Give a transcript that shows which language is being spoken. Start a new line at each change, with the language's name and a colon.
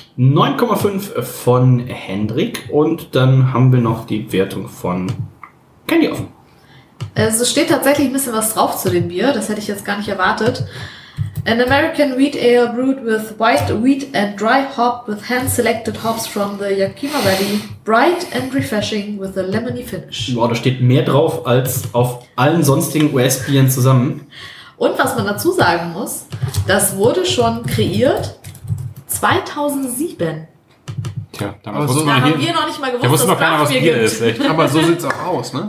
German: 9,5 von Hendrik und dann haben wir noch die Wertung von Candy offen. Es steht tatsächlich ein bisschen was drauf zu dem Bier, das hätte ich jetzt gar nicht erwartet.
English: An American Wheat Ale brewed with white wheat and dry hop with hand-selected hops from the Yakima Valley. Bright and refreshing with a lemony finish.
German: Boah, da steht mehr drauf als auf allen sonstigen US-Bieren zusammen. Und was man dazu sagen muss, das wurde schon kreiert 2007. Tja, damals wusste man hier, noch nicht mal gewusst, wusste noch keiner, was Bier ist. Echt. Aber so sieht es auch aus, ne?